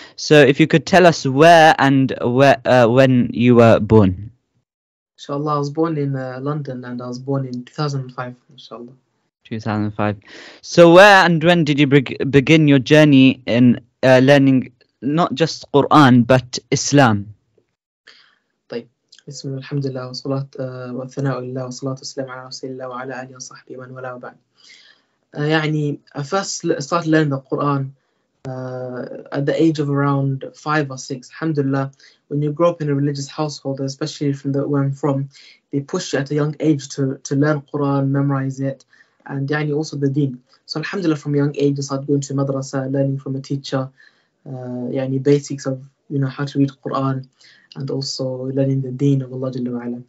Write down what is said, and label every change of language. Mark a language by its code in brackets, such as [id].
[en] So if you could tell us when you were born. Inshallah, I was born in London and I was born in 2005, inshallah. 2005. So where and when did you begin your journey in learning not just Quran but Islam? [ar] طيب بسم الله الحمد لله والصلاة والثناء لله والصلاة والسلام على رسول الله وعلى آله وصحبه من ولا وبعد. [en] يعني I first started learning the Quran at the age of around 5 or 6. Alhamdulillah, when you grow up in a religious household, especially from where I'm from, they push you at a young age to learn Quran, memorize it. And يعني also the deen. So alhamdulillah, from a young age, I started going to madrasa, learning from a teacher, يعني basics of, you know, how to read Quran, and also learning the deen of Allah Jalla wa'ala.